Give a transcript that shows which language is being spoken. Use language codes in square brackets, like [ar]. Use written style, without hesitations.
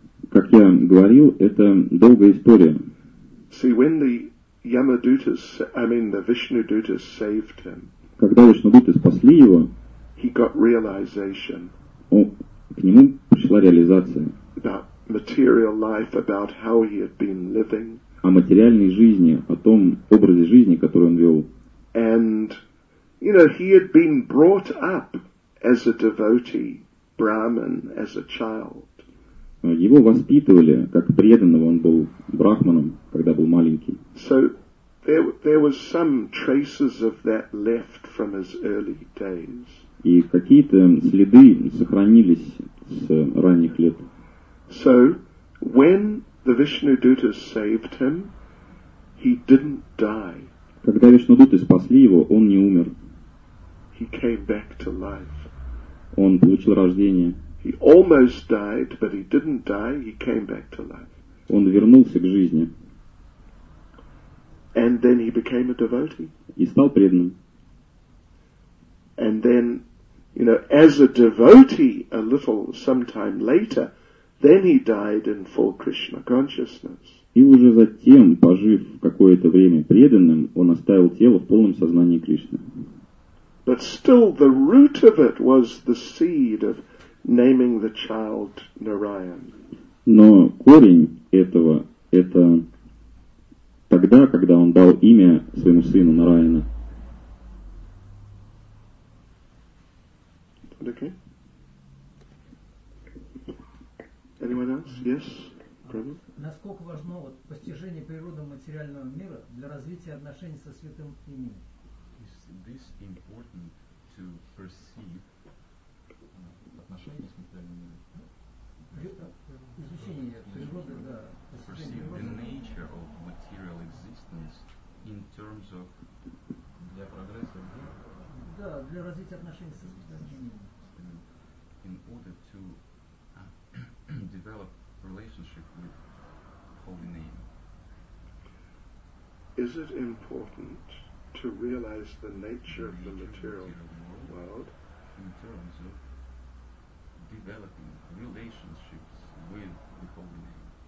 [ru] Как я говорил, это долгая история. [en] See, when the Yamadutas, I mean the Vishnudutas saved him. [ru] Когда Вишнудуты спасли его, [en] he got realization. [ru] К нему пришла реализация. [en] About material life, about how he had been living. [ru] О материальной жизни, о том образе жизни, который он вел. [en] And, you know, he had been brought up as a devotee, brahmin, as a child. [ru] Его воспитывали как преданного, он был брахманом, когда был маленький. [en] So there was some traces of that left from his early days. [ru] И какие-то следы сохранились с ранних лет. [en] So, when the Vishnudutas saved him, he didn't die. [ru] Когда Вишнудуты спасли его, он не умер. [en] He came back to life. [ru] Он получил рождение. [en] He almost died, but he didn't die, he came back to life. [ru] Он вернулся к жизни. [en] And then he became a devotee. [ru] И стал преданным. [en] And then, you know, as a devotee, a little sometime later, then he died in full Krishna consciousness. [ru] И уже затем, пожив какое-то время преданным, он оставил тело в полном сознании Кришны. [en] But still, the root of it was the seed of naming the child Narayan. [ru] Но корень этого — это тогда, когда он дал имя своему сыну Нараяна. [en] Okay. Anyone else? Yes. [ru] Насколько важно вот постижение природы материального мира для развития отношений со святым именем? [en] Is this important to perceive [ru] отношения с материальным миром? Изучение природы, да. [en] Perceive the nature of material existence in terms of [ru] для прогресса. Да, для развития отношений со святым именем. [en] In order to develop relationship with holy name. is it important to realize the nature of the material world in terms of developing relationships with the Holy Name?